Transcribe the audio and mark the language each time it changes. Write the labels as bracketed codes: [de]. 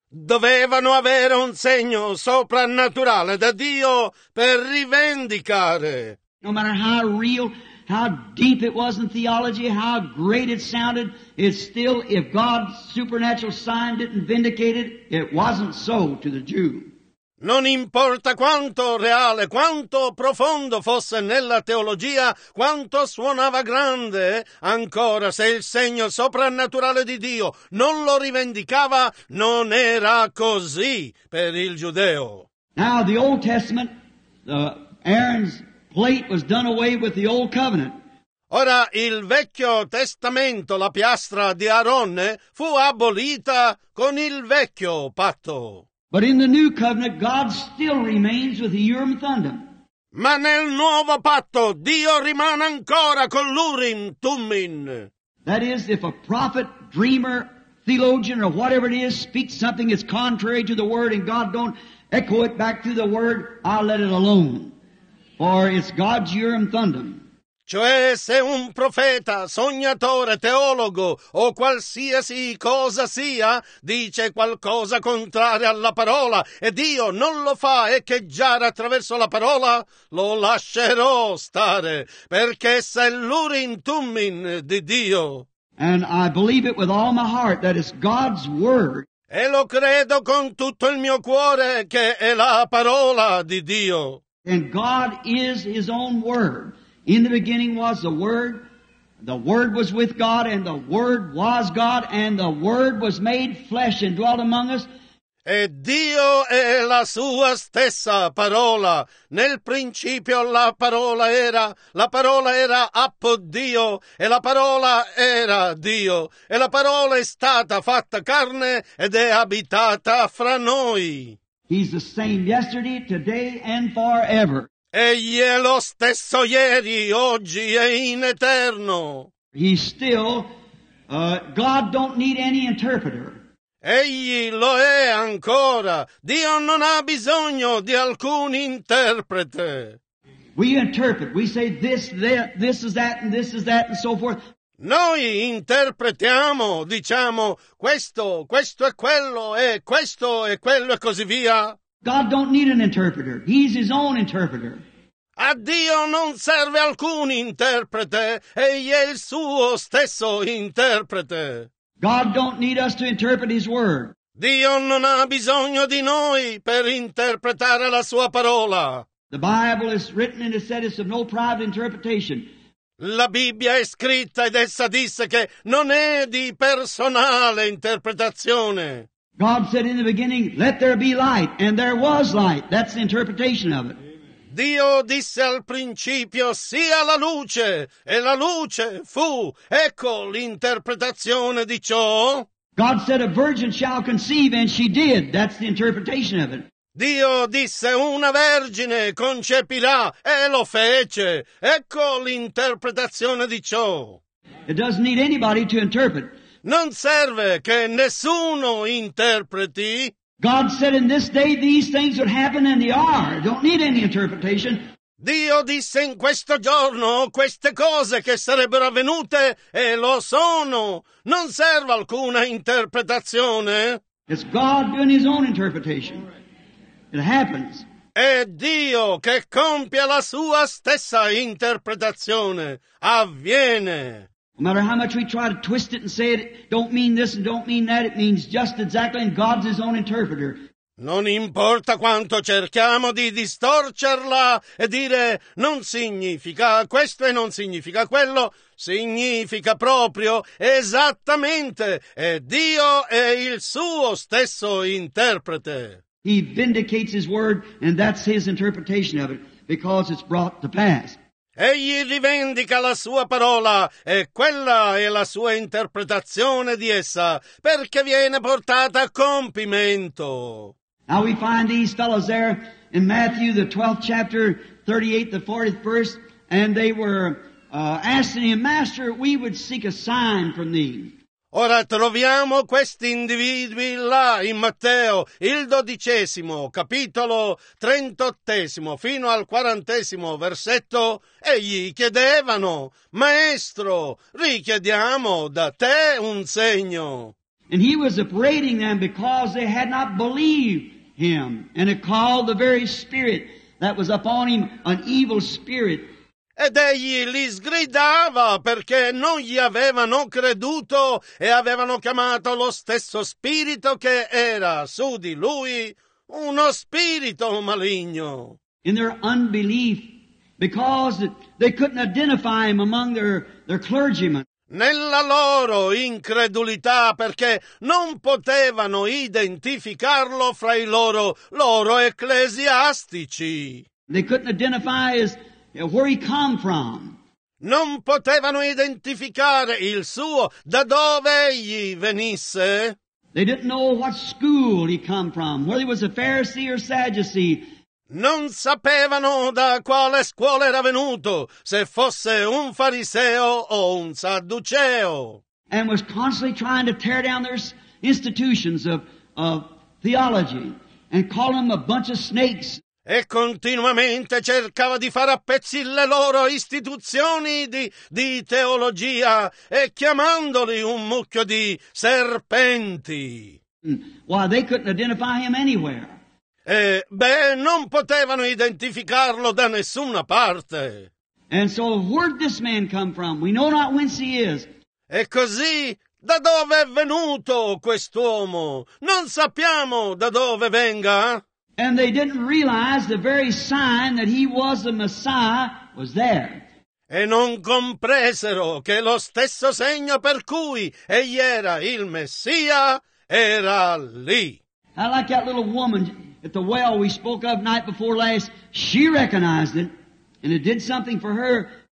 [it] Dovevano avere un segno soprannaturale da Dio per rivendicare. [en] No matter how real, how deep it was in theology, how great it sounded, it's still, if God's supernatural sign didn't vindicate it, it wasn't so to the Jew. [it] Non importa quanto reale, quanto profondo fosse nella teologia, quanto suonava grande, ancora se il segno soprannaturale di Dio non lo rivendicava, non era così per il giudeo. [en] Now the Old Testament, Aaron's plate was done away with the Old Covenant. [it] Ora il Vecchio Testamento, la piastra di Aronne, fu abolita con il Vecchio Patto. [en] But in the new covenant, God still remains with the Urim Thummim. [it] Ma nel nuovo patto, Dio rimane ancora con l'Urim Thummim. [en] That is, if a prophet, dreamer, theologian, or whatever it is, speaks something that's contrary to the word, and God don't echo it back through the word, I'll let it alone. For it's God's Urim Thummim. [it] Cioè, se un profeta, sognatore, teologo o qualsiasi cosa sia, dice qualcosa contrario alla parola e Dio non lo fa echeggiare attraverso la parola, lo lascerò stare, perché essa è l'Urim Thummim di Dio. [en] And I believe it with all my heart that it's God's word. [it] E lo credo con tutto il mio cuore che è la parola di Dio. [en] And God is his own word. In the beginning was the Word was with God, and the Word was God, and the Word was made flesh and dwelt among us. [it] E Dio è la sua stessa parola. Nel principio la parola era appo Dio, e la parola era Dio, e la parola è stata fatta carne ed è abitata fra noi. [en] He's the same yesterday, today, and forever. [it] Egli è lo stesso ieri, oggi e in eterno. [en] He's still, God don't need any interpreter. [it] Egli lo è ancora. Dio non ha bisogno di alcun interprete. [en] We interpret. We say this, that, this is that, and this is that, and so forth. [it] Noi interpretiamo, diciamo questo, questo è quello, e questo è quello, e così via. [en] God don't need an interpreter. He's his own interpreter. [it] A Dio non serve alcun interprete, egli è il suo stesso interprete. [en] God don't need us to interpret his word. [it] Dio non ha bisogno di noi per interpretare la sua parola. [en] The Bible is written and it said it's of no private interpretation. [it] La Bibbia è scritta ed essa disse che non è di personale interpretazione. [en] God said in the beginning, let there be light, and there was light. That's the interpretation of it. [it] Dio disse al principio, sia la luce, e la luce fu. Ecco l'interpretazione di ciò. [en] God said a virgin shall conceive, and she did. That's the interpretation of it. [it] Dio disse, una vergine concepirà, e lo fece. Ecco l'interpretazione di ciò. [en] It doesn't need anybody to interpret. [it] Non serve che nessuno interpreti. [en] God said in this day these things would happen and they are. Don't need any interpretation. [it] Dio disse in questo giorno queste cose che sarebbero avvenute e lo sono. Non serve alcuna interpretazione. [en] It's God doing his own interpretation. It happens. [it] È Dio che compie la sua stessa interpretazione. Avviene. [en] No matter how much we try to twist it and say it, don't mean this and don't mean that, it means just exactly, and God's his own interpreter. [it] Non importa quanto cerchiamo di distorcerla e dire non significa questo e non significa quello, significa proprio, esattamente, e Dio è il suo stesso interprete. [en] He vindicates his word, and that's his interpretation of it, because it's brought to pass. [it] Egli rivendica la sua parola e quella è la sua interpretazione di essa, perché viene portata a compimento. [en] Now we find these fellows there in Matthew, the 12th chapter, 38, the 40th verse, and they were asking him, Master, we would seek a sign from thee. [it] Ora troviamo questi individui là in Matteo, il 12° capitolo 38 fino al 40° versetto, e gli chiedevano, Maestro, richiediamo da te un segno. [en] And he was upbraiding them because they had not believed him, and it called the very spirit that was upon him an evil spirit. [it] Ed egli li sgridava perché non gli avevano creduto e avevano chiamato lo stesso spirito che era su di lui uno spirito maligno. [en] In their unbelief, because they couldn't identify him among their clergymen. [it] Nella loro incredulità, perché non potevano identificarlo fra i loro ecclesiastici. [en] They couldn't identify his, where he come from. [it] Non potevano identificare il suo, da dove egli venisse. [en] They didn't know what school he come from, whether he was a Pharisee or Sadducee. [it] Non sapevano da quale scuola era venuto, se fosse un fariseo o un sadduceo. [en] And was constantly trying to tear down their institutions of theology and call them a bunch of snakes. [it] E continuamente cercava di fare a pezzi le loro istituzioni di teologia e chiamandoli un mucchio di serpenti. [en] Well, they couldn't identify him anywhere. [it] E, beh, non potevano identificarlo da nessuna parte. [en] And so where did this man come from? We know not whence he is. [it] E così, da dove è venuto quest'uomo? Non sappiamo da dove venga. [en] And they didn't realize the very sign that he was the Messiah was there. [it] E non compresero che lo stesso segno per cui egli era il Messia era lì. [en] I like that little woman at the well we spoke of night before last. She recognized it, and it did something for her.